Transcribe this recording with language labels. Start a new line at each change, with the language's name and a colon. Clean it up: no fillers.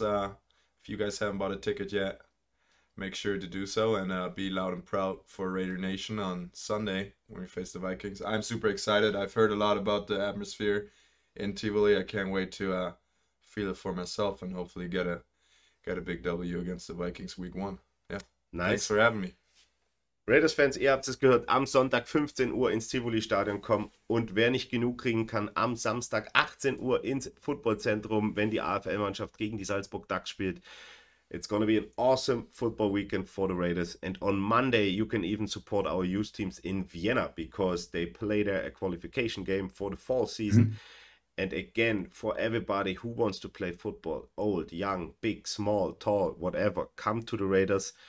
English: If you guys haven't bought a ticket yet, make sure to do so and be loud and proud for Raider Nation on Sunday when we face the Vikings. I'm super excited. I've heard a lot about the atmosphere in Tivoli. I can't wait to feel it for myself and hopefully get a big W against the Vikings week one. Yeah. Thanks for Nice. having me.
German: Raiders-Fans, ihr habt es gehört, am Sonntag 15 Uhr ins Tivoli-Stadion kommen und wer nicht genug kriegen kann, am Samstag 18 Uhr ins Footballzentrum, wenn die AFL-Mannschaft gegen die Salzburg Ducks spielt.
English: It's gonna be an awesome football weekend for the Raiders. And on Monday, you can even support our youth teams in Vienna because they play there a qualification game for the fall season. And again, for everybody who wants to play football, old, young, big, small, tall, whatever, come to the Raiders.